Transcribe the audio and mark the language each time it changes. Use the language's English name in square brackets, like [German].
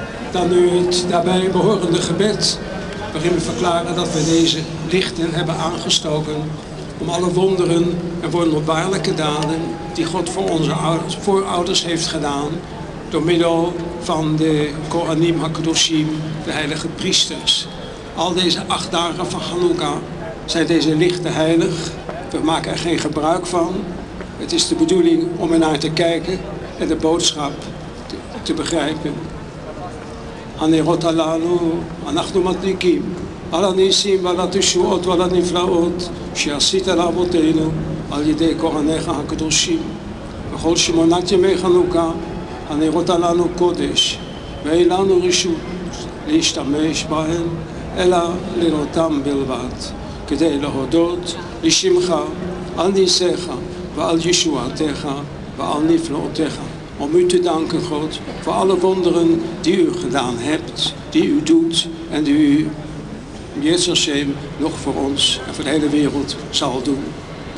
[Dutch] Dan nu het daarbij behorende gebed, waarin we verklaren dat we deze lichten hebben aangestoken om alle wonderen en wonderbaarlijke daden die God voor onze voorouders heeft gedaan door middel van de [Hebrew] Kohanim HaKadoshim, [Dutch] de heilige priesters. Al deze 8 dagen van Hanukka zijn deze lichten heilig. We maken er geen gebruik van. Het is de bedoeling om ernaar te kijken en de boodschap te begrijpen. [Hebrew] הנרות הללו אנחנו מדליקים על הניסים ועל התשועות ועל הנפלאות שעשית לאבותינו על ידי כהניך הקדושים. בכל שמונת ימי חנוכה הנרות הללו קודש, ואין לנו רשות להשתמש בהן אלא לראותם בלבד, כדי להודות לשמך על ניסיך ועל ישועתך ועל נפלאותיך. [Dutch] Om u te danken, God, voor alle wonderen die u gedaan hebt, die u doet en die u, Jezus Hashem, nog voor ons en voor de hele wereld zal doen.